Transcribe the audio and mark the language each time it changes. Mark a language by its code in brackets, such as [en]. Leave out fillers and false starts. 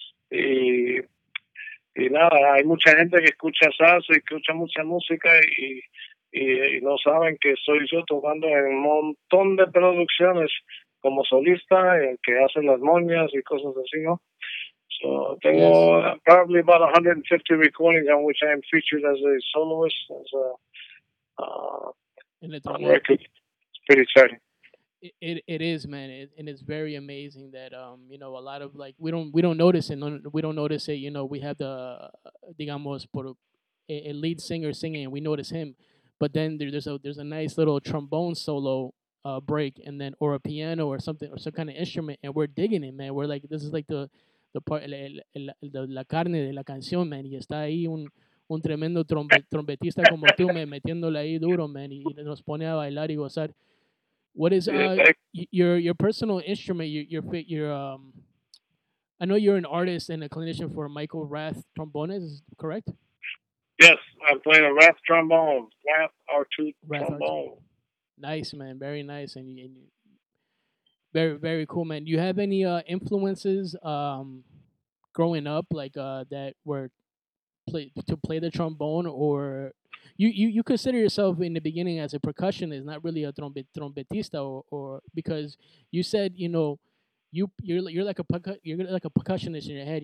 [es] Y nada, hay mucha gente que escucha salsa y escucha mucha música y no saben que soy yo tocando en un montón de producciones como solista, que hacen las moñas y cosas así, ¿no? [en] So, [es] tengo [en] probably about 150 recordings on which I am featured as a soloist, as a record spiritual. It is, man, and it's very amazing that you know, a lot of, like, we don't notice it, you know. We have the [es] digamos por [en] a lead singer singing and we notice him, but then there's a nice little trombone solo break, and then or a piano or something or some kind of instrument, and we're digging it, man. We're like, this is like the part [es] la carne de la canción, [en] man. [es] Y está ahí un tremendo trompetista como tú, man, metiéndole ahí duro, man, y nos pone a bailar y gozar. [en] What is your personal instrument? Your I know you're an artist and a clinician for Michael Rath trombone, is correct? Yes, I'm playing a Rath trombone, Rath R2 trombone. Nice, man, very nice, and very, very cool, man. Do you have any influences growing up, like that were to play the trombone, or you consider yourself in the beginning as a percussionist, not really a trompetista, or because you said, you know, you're like a percussionist in your head.